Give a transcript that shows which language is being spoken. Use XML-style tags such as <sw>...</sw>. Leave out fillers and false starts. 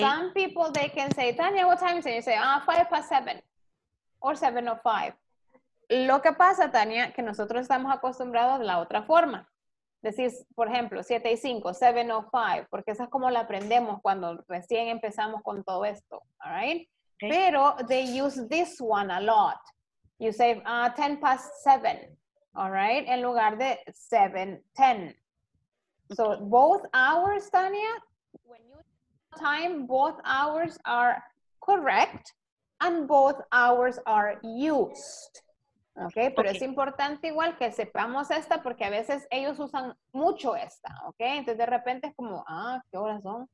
<en>Some people they can say, Tania, what time is it? You say 7:05. Or 7:05.</en> <es>Lo que pasa, Tania, que nosotros estamos acostumbrados a la otra forma. Decís, por ejemplo, 7:05, 7:05, porque esa es como la aprendemos cuando recién empezamos con todo esto.</es> <en>All right? Okay. Pero they use this one a lot. You say 7:10. All right?</en> <es>En lugar de 7:10.</es> <en>Okay. So both hours, Tania, when you time, both hours are correct. And both hours are used.</en> <es>Okay, pero okay. Es importante igual que sepamos esta porque a veces ellos usan mucho esta. Okay, entonces de repente es como, ¿qué horas son?</es>